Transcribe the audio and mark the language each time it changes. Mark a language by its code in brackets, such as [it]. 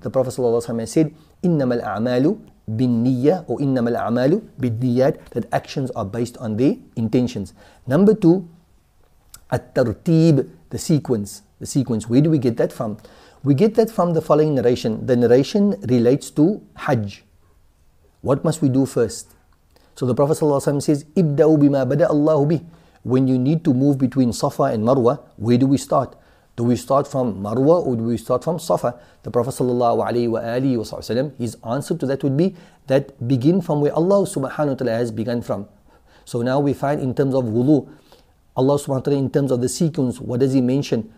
[en] The Prophet sallallahu alayhi wa sallam said, [ar] innamal a'malu binniyyah, [en] or [ar] innamal a'malu binniyyat, [en] that actions are based on their intentions. Number two, at-tartib, the sequence. Where do we get that from? We get that from the following narration. The narration relates to Hajj. What must we do first? So the Prophet ﷺ says, [ar] ابدأوا بما بدأ الله به. [en] When you need to move between Safa and Marwa, where do we start? Do we start from Marwa or do we start from Safa? The Prophet ﷺ, his answer to that would be that begin from where Allah subhanahu wa ta'ala has begun from. So now we find in terms of wudu, Allah subhanahu wa ta'ala in terms of the sequence, what does he mention?